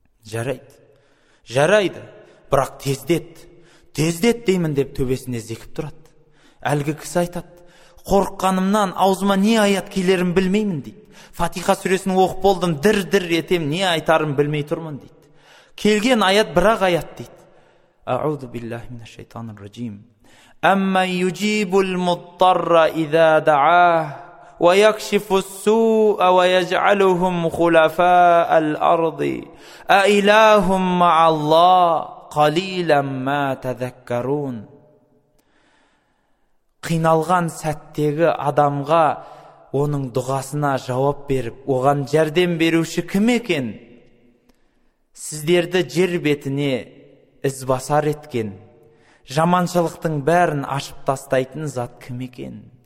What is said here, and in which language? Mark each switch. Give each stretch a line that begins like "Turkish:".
Kazakh: «Жарайды, жарайды, бірақ тездет, тездет» деймін деп төбесіне зекіп тұрады. Әлгі кісі айтады: «Қорыққанымнан аузыма не аят келерін білмеймін» дейді. «Фатиха сүресін оқып болдым, дір-дір етем, не айтарын білмей тұрмын» дейді. «Келген аят бірақ аят» дейді.
Arabic: أعوذ بالله من الشيطان الرجيم. أمن يجيب المضطر إذا دعاه ويكشف السوء ويجعلهم خلفاء الأرض أإله مع الله قليلا ما تذكرون.
Kazakh: Қиналған сәттегі адамға оның дұғасына жауап беріп, оған жәрдем беруші кім екен? Сіздерді жер бетіне ізбасар еткен, жаманшылықтың бәрін ашып тастайтын зат кім екен?